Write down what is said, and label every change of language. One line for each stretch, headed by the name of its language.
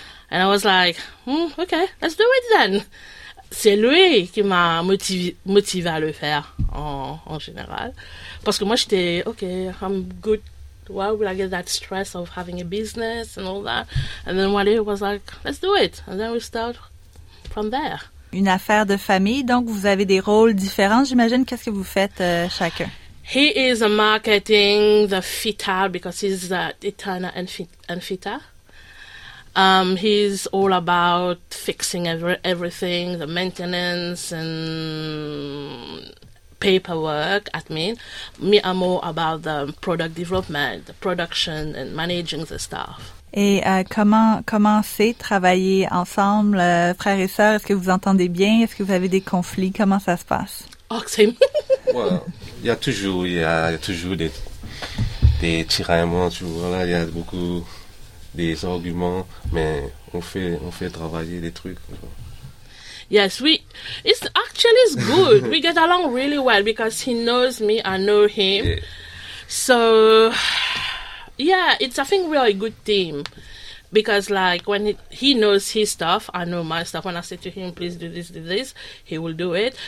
English: And I was like, okay, let's do it then.
French: C'est lui qui m'a motivé à le faire en général. Parce que moi, j'étais,
English: okay, I'm good. Why would I get that stress of having a business and all that? And then Wally was like, let's do it. And then we start from there.
French: Une affaire de famille, donc vous avez des rôles différents. J'imagine, qu'est-ce que vous faites chacun? He is a marketing, the fita, because he's Eterna and fita. He's all about fixing everything, the maintenance and paperwork, admin. Me, I'm more about the product development, the production and managing the staff. Et comment c'est travailler ensemble, frères et sœurs? Est-ce que vous entendez bien? Est-ce que vous avez des conflits? Comment ça se passe?
English: Oh, same.
French: Well, il y a toujours des tiraillements, tu vois, là, il y a beaucoup... des arguments, mais on fait travailler des trucs.
English: Yes, it's good. We get along really well because he knows me, I know him. So, yeah, I think we are a good team because like when he knows his stuff, I know my stuff. When I say to him, please do this, he will do it.